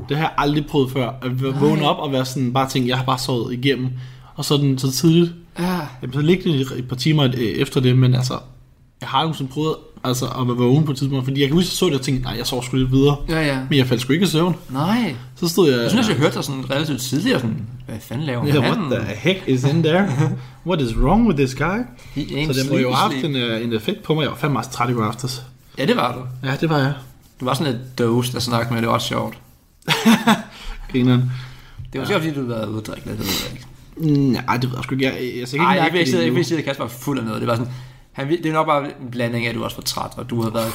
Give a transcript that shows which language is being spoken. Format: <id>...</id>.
<da>Det har jeg aldrig prøvet før, at vågne op og være sådan, bare tænke, jeg har bare sovet igennem, og så den så tidligt. Ja. Jamen, så ligger det et par timer efter det, men altså, jeg har jo sådan prøvet altså, at være vågen på et tidspunkt, fordi jeg kan huske, at jeg så det og tænkte, nej, jeg sover sgu lidt videre, ja, ja. Men jeg faldt sgu ikke i søvn. Nej. Så stod jeg... Jeg synes, jeg hørte dig sådan relativt tidligere, sådan... Hvad fanden laver han?</da> <en>Yeah, what the heck is in there? What is wrong with this guy?</en> <da>Så det var jo haft en effekt på mig. Jeg var fandme meget træt i går aftes. Ja, det var du. Ja, det var jeg. Du var sådan lidt dozed at snakke med. Det var også sjovt. Grineren. Det var sikkert, fordi du havde været uddrikket. Det ved jeg ikke. Nej, det ved jeg sgu ikke. Jeg vil sige, at Kasper var fuld af noget. Det var sådan... Han, det er nok bare en blanding af, at du også var træt, og du havde været</da>